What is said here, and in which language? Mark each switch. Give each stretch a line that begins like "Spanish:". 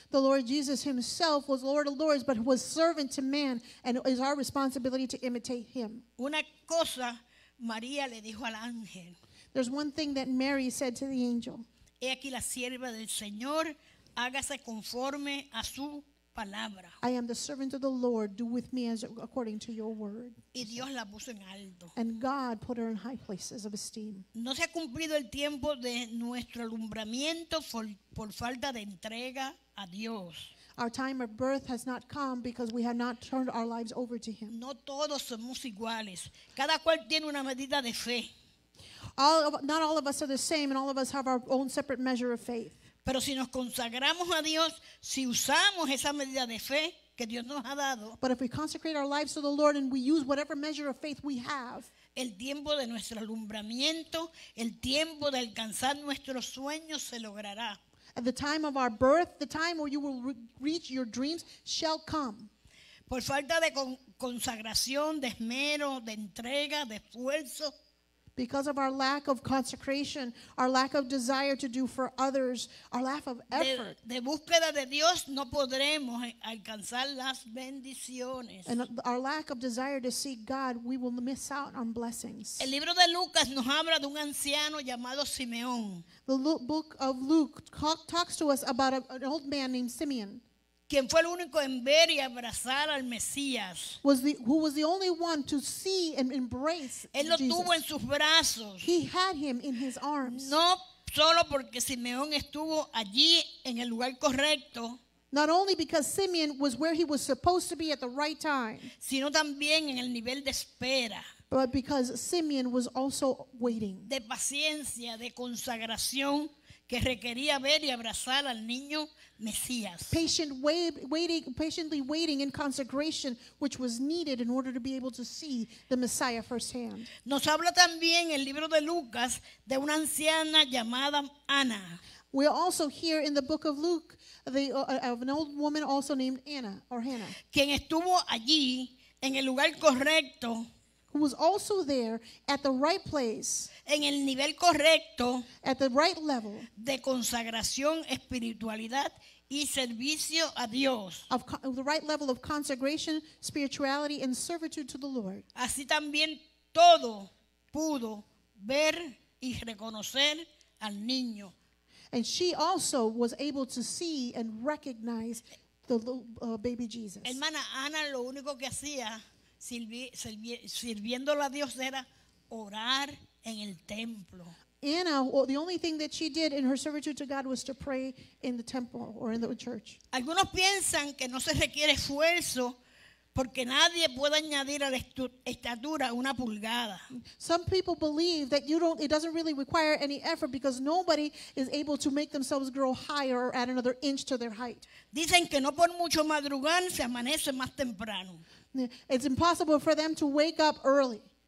English: The Lord Jesus himself was Lord of lords but was servant to man, and it is our responsibility to imitate him.
Spanish: Una cosa María le dijo al ángel.
English: There's one thing that Mary said to the angel.
Spanish: He aquí la sierva del Señor, hágase conforme a su palabra.
English: I am the servant of the Lord, do with me as according to your word.
Spanish: Y Dios la puso en alto.
English: And God put her in high places of esteem.
Spanish: No se ha cumplido el tiempo de nuestro alumbramiento por falta de entrega a Dios.
English: Our time of birth has not come because we have not turned our lives over to him.
Spanish: No todos somos iguales. Cada cual tiene una medida de fe.
English: Not all of us are the same, and all of us have our own separate measure of faith.
Spanish: Pero si nos consagramos a Dios, si usamos esa medida de fe que Dios nos ha dado.
English: But if we consecrate our lives to the Lord and we use whatever measure of faith we have.
Spanish: El tiempo de nuestro alumbramiento, el tiempo de alcanzar nuestros sueños se logrará.
English: At the time of our birth, the time where you will reach your dreams shall come.
Spanish: Por falta de consagración, de esmero, de entrega, de esfuerzo.
English: Because of our lack of consecration, our lack of desire to do for others, our lack of effort.
Spanish: De búsqueda de Dios no podremos alcanzar las bendiciones.
English: And our lack of desire to seek God, we will miss out on blessings.
Spanish: El libro de Lucas nos habla de un anciano llamado Simeón.
English: The book of Luke talks to us about an old man named Simeon.
Spanish: quien fue el único en ver y abrazar al Mesías.
English: Who was the only one to see and embrace Jesus.
Spanish: Él lo tuvo en sus brazos.
English: He had him in his arms.
Spanish: No solo porque Simeón estuvo allí en el lugar correcto.
English: Not only because Simeon was where he was supposed to be at the right time.
Spanish: Sino también en el nivel de espera.
English: But because Simeon was also waiting.
Spanish: De paciencia, de consagración. Que requería ver y abrazar al niño Mesías.
English: Patiently waiting in consecration, which was needed in order to be able to see the Messiah firsthand.
Spanish: Nos habla también el libro de Lucas de una anciana llamada Ana.
English: We also hear in the book of Luke of an old woman also named Anna or Hannah.
Spanish: Quien estuvo allí en el lugar correcto.
English: Who was also there at the right place,
Spanish: en el nivel correcto,
English: at the right level,
Spanish: de consagración, espiritualidad y servicio a Dios,
English: of the right level of consecration, spirituality, and servitude to the Lord.
Spanish: Así también todo pudo ver y reconocer al niño.
English: And she also was able to see and recognize the little, baby Jesus.
Spanish: Hermana Ana, lo único que hacía sirviéndolo a Dios era orar en el templo.
English: Anna, well, the only thing that she did in her servitude to God was to pray in the temple or in the church.
Spanish: Algunos piensan que no se requiere esfuerzo porque nadie puede añadir a la estatura una pulgada.
English: Some people believe that it doesn't really require any effort because nobody is able to make themselves grow higher or add another inch to their height.
Spanish: Dicen que no por mucho madrugar se amanece más temprano.
English: It's impossible for them to wake up early.